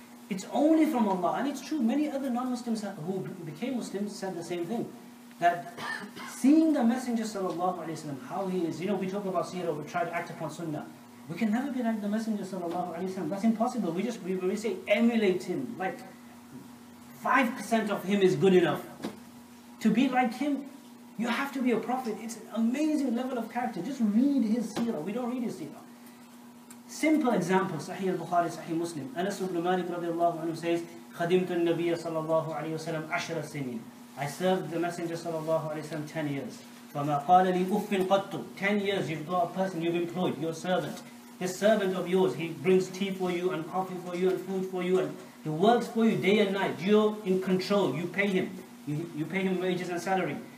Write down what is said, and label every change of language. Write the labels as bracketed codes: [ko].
[en] It's only from Allah, and it's true, many other non-Muslims who became Muslims said the same thing, that seeing the Messenger sallallahu alayhi wa sallam, how he is, you know, we talk about seerah, we try to act upon sunnah, we can never be like the Messenger sallallahu alayhi wa sallam, that's impossible, we say emulate him, like 5% of him is good enough. To be like him, you have to be a prophet. It's an amazing level of character. Just read his seerah, we don't read his seerah. Simple example, Sahih al-Bukhari, Sahih Muslim. Anas ibn Malik radiallahu anhu says, [ar] خَدِمْتُ النَّبِيَّ صَلَى اللَّهُ عَلَيْهُ وَسَلَمْ عَشْرَ سِنِينَ. [en] I served the Messenger sallallahu alayhi wa sallam 10 years. [ar] فَمَا قَالَ لِي أُفٍّ قَطُّ [en] 10 years you've got a person you've employed, your servant. This servant of yours, he brings tea for you and coffee for you and food for you and he works for you day and night. You're in control, you pay him. You pay him wages and salary.